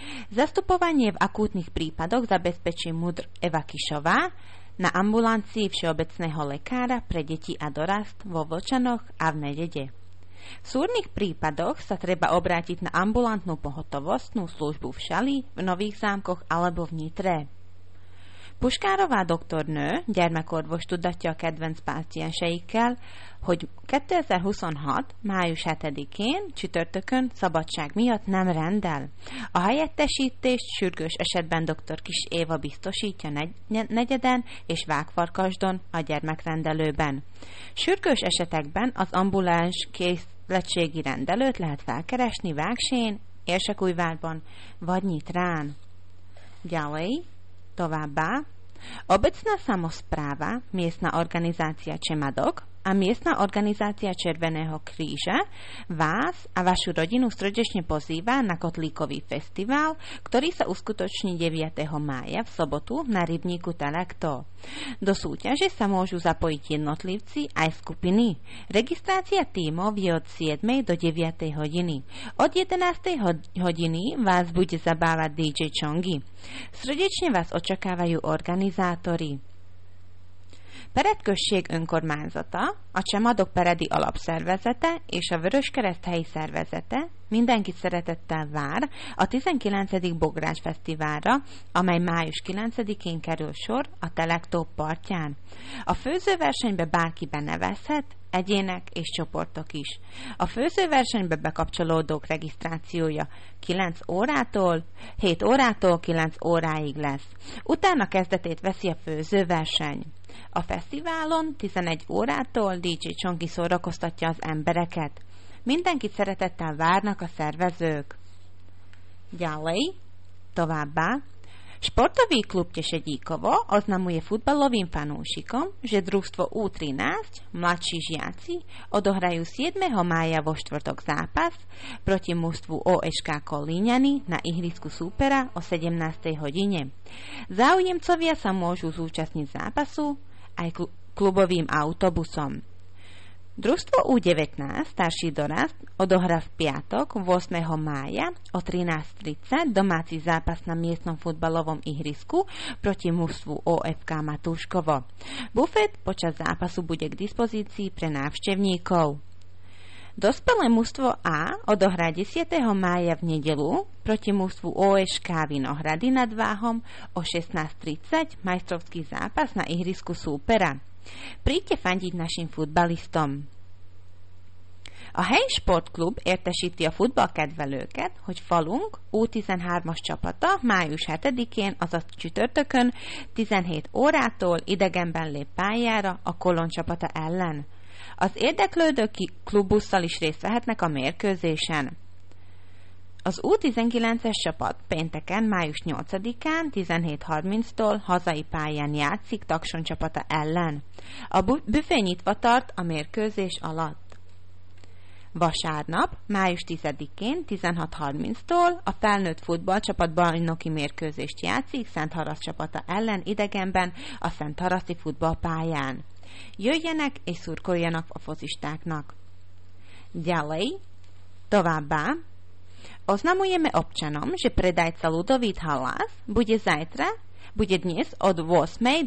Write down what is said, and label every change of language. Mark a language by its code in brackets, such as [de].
[sk] Zastupovanie v akútnych prípadoch zabezpečí MUDr. Eva Kišová na ambulancii všeobecného lekára pre deti a dorast vo Vlčanoch a v Medede. V súrnych prípadoch sa treba obrátiť na ambulantnú pohotovostnú službu v Šali, v Nových Zámkoch alebo v Nitre. [hu] Puškárová doktor nő, gyermekorvos tudatja a kedvenc páciensekkel, hogy 2026. május 7-én csütörtökön szabadság miatt nem rendel. A helyettesítést sürgős esetben dr. Kis Éva biztosítja negyeden és Vágfarkasdon a gyermekrendelőben. Sürgős esetekben az ambuláns készletségi rendelőt lehet felkeresni Vágsén, Érsekújvárban vagy Nyitrán. [sk] Gyalei, [hu] továbbá, [sk] obecná samospráva, miestna organizácia Čemadok a miestna organizácia Červeného kríža vás a vašu rodinu srdečne pozýva na kotlíkový festival, ktorý sa uskutoční 9. mája v sobotu na rybníku Tarakto. Do súťaže sa môžu zapojiť jednotlivci aj skupiny. Registrácia tímov je od 7. do 9. hodiny. Od 11. hodiny vás bude zabávať DJ Čongi. Srdečne vás očakávajú organizátori. [hu] Peredkösség önkormányzata, a Csemadok Peredi alapszervezete és a Vöröskereszt helyi szervezete mindenkit szeretettel vár a 19. Bogrács Fesztiválra, amely május 9-én kerül sor a Telektó partján. A főzőversenybe bárki benevezhet, egyének és csoportok is. A főzőversenybe bekapcsolódók regisztrációja 9 órától, 7 órától 9 óráig lesz. Utána kezdetét veszi a főzőverseny. A fesztiválon 11 órától DJ Csongi szórakoztatja az embereket. Mindenkit szeretettel várnak a szervezők. Gyalej, továbbá. [sk] Sportový klub Tešedíkovo oznamuje futbalovým fanúšikom, že družstvo U13, mladší žiaci, odohrajú 7. mája vo štvrtok zápas proti mužstvu OŠK Kolíňany na ihrisku súpera o 17. hodine. Záujemcovia sa môžu zúčastniť zápasu aj klubovým autobusom. Družstvo U19, starší dorast, odohrá v piatok 8. mája o 13.30 domáci zápas na miestnom futbalovom ihrisku proti mužstvu OFK Matúškovo. Bufet počas zápasu bude k dispozícii pre návštevníkov. Dospelé mužstvo A odohrá 10. mája v nedeľu proti mužstvu OŠK Vinohrady nad Váhom o 16.30 majstrovský zápas na ihrisku súpera. Príďte fandiť našim futbalistom. [hu] A helyi sportklub értesíti a futballkedvelőket, hogy falunk U13-as csapata május 7-én, azaz csütörtökön 17 órától idegenben lép pályára a Kolon csapata ellen. Az érdeklődők klubbusszal is részt vehetnek a mérkőzésen. Az U19-es csapat pénteken, május 8-án 17.30-tól hazai pályán játszik Takson csapata ellen. A büfé nyitva tart a mérkőzés alatt. Vasárnap, május 10-én 16.30-tól a felnőtt futballcsapat bajnoki mérkőzést játszik Szent Harasz csapata ellen idegenben a Szent Haraszi futballpályán. Jöjjenek és szurkoljanak a focistáknak! Gyalej, továbbá, oznamujeme občanom, že predajca Ludovít Halas bude zajtra, bude dnes od 8.